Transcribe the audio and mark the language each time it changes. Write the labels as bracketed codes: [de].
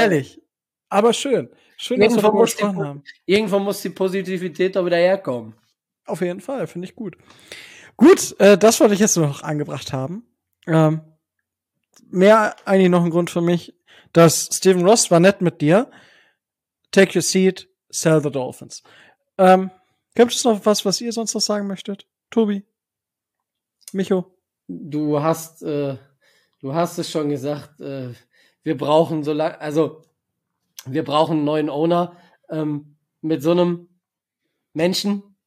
[de] Ehrlich. Aber schön. Schön, dass wir gesprochen haben. Irgendwo muss die Positivität da wieder herkommen. Auf jeden Fall, finde ich gut. Gut, das wollte ich jetzt nur noch angebracht haben. Mehr eigentlich noch ein Grund für mich, dass Stephen Ross war nett mit dir. [en] Take your seat, sell the Dolphins. [de] Gibt es noch was, was ihr sonst noch sagen möchtet? Tobi? Micho? Du hast es schon gesagt, wir brauchen so lange, also wir brauchen einen neuen Owner mit so einem Menschen.